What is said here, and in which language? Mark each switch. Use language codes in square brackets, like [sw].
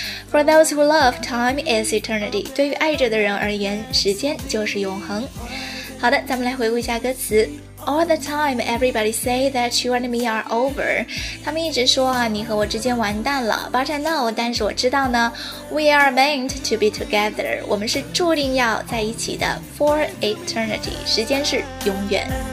[en] For those who love, time is eternity. [zh] 对于爱着的人而言，时间就是永恒。好的，咱们来回顾一下歌词。 [en] All the time, everybody say that you and me are over. [zh] 他们一直说啊，你和我之间完蛋了。 [en] But I know, [zh] 但是我知道呢。 [en] We are meant to be together. [zh] 我们是注定要在一起的。 [en] For eternity, [zh] 时间是永远。